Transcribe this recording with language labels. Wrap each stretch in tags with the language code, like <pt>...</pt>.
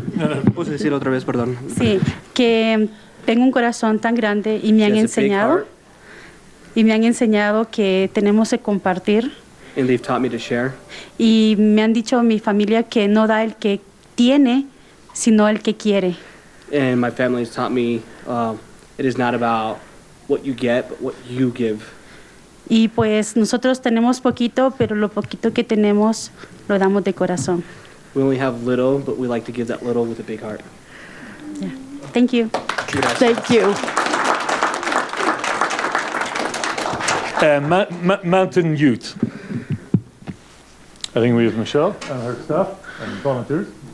<es>No, puedo decir otra vez, perdón. Sí, que tengo un corazón tan grande y me han enseñado. Y me han enseñado que tenemos que compartir.</es> <en>And they've taught me to share.</en> <es>Y me han dicho mi familia que no da el que tiene, sino el que quiere.</es> <en>And my family has taught me it is not about what you get, but what you give.</en> <es>Y pues nosotros tenemos poquito, pero lo poquito que tenemos lo damos de corazón.</es> <en>We only have little, but we like to give that little with a big heart. Yeah. Thank you.</en> <es>Gracias.</es> <en>Thank you. Mountain Youth. I think we have Michelle and her staff and volunteers.</en>